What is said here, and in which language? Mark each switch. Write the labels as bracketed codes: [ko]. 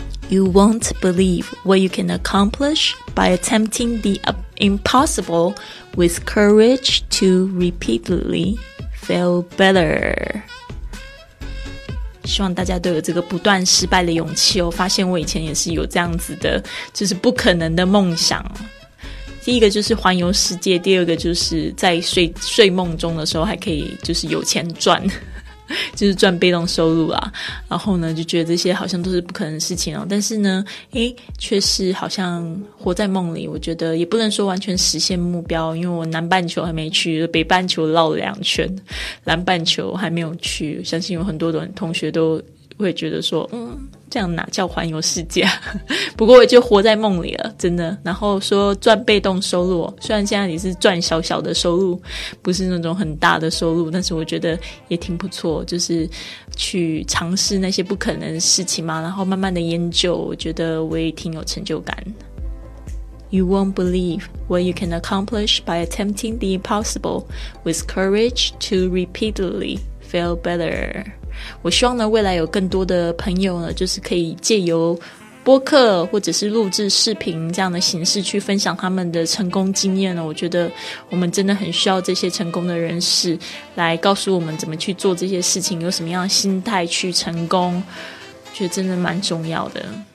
[en] You won't believe what you can accomplish by attempting the impossible with courage to repeatedly. Feel better. [zh] 希望大家都有这个不断失败的勇气哦。发现我以前也是有这样子的，就是不可能的梦想。第一个就是环游世界，第二个就是在睡梦中的时候还可以就是有钱赚，就是赚被动收入啦。然后呢，就觉得这些好像都是不可能的事情哦。但是呢，诶，却是好像活在梦里。我觉得也不能说完全实现目标，因为我南半球还没去，北半球绕了两圈，南半球还没有去。相信有很多的同学都会觉得说，嗯，这样哪叫环游世界？不过我就活在梦里了，真的。然后说赚被动收入，虽然现在也是赚小小的收入，不是那种很大的收入，但是我觉得也挺不错，就是去尝试那些不可能的事情嘛，然后慢慢的研究，我觉得我也挺有成就感。 [en] You won't believe what you can accomplish by attempting the impossible with courage to repeatedly feel better. [zh] 我希望呢未来有更多的朋友呢就是可以借由播客或者是录制视频这样的形式去分享他们的成功经验呢，我觉得我们真的很需要这些成功的人士来告诉我们怎么去做这些事情，有什么样的心态去成功，觉得真的蛮重要的。